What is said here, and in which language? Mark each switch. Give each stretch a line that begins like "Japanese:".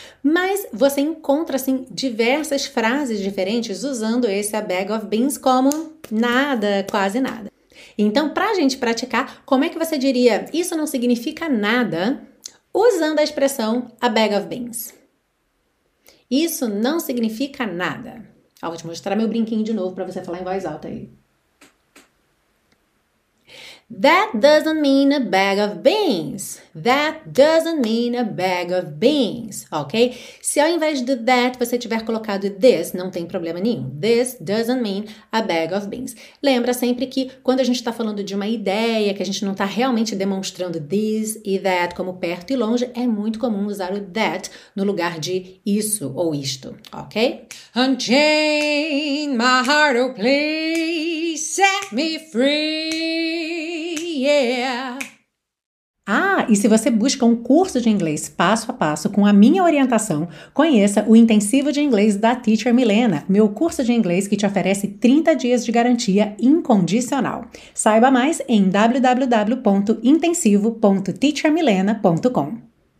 Portuguese: Mas você encontra, assim, diversas frases diferentes usando esse
English: a bag of beans
Portuguese: como nada, quase nada. Então, pra gente praticar, como é que você diria isso não significa nada usando a expressão
English: a bag of beans?
Portuguese: Isso não significa nada. Ó, vou te mostrar meu brinquinho de novo pra você falar em voz alta aí.
English: That doesn't mean a bag of beans. That doesn't mean a bag of beans. Ok?
Portuguese: Se ao invés do that você tiver colocado this, não tem problema nenhum.
English: This doesn't mean a bag of beans.
Portuguese: Lembra sempre que quando a gente está falando de uma ideia, que a gente não está realmente demonstrando this e that como perto e longe, é muito comum usar o that no lugar de isso ou isto. Ok?
English: Unchain my heart, oh please, set me free. Yeah.
Portuguese: Ah, e se você busca um curso de inglês passo a passo com a minha orientação, conheça o Intensivo de Inglês da Teacher Milena, meu curso de inglês que te oferece 30 dias de garantia incondicional. Saiba mais em www.intensivo.teachermilena.com.